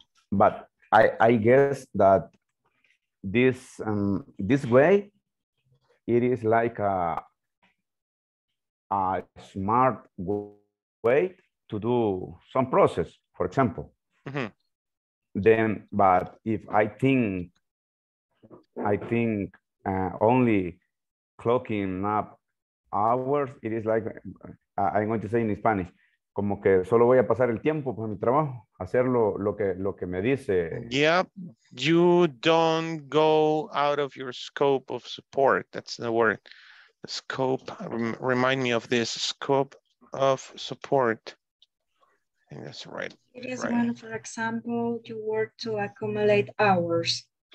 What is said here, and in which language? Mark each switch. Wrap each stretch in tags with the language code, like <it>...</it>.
<en>But I guess that this way it is like a smart way to do some process, for example. Mm-hmm. Then, but if I think only clocking up hours, it is like I'm going to say in Spanish.</en> <es>Como que solo voy a pasar el tiempo por mi trabajo, hacer lo que me dice.</es> <en>Yep, you don't go out of your scope of support. That's the word. The scope, remind me of this, scope of support. I think that's right. It is right. When, for example, you work to accumulate hours.</en>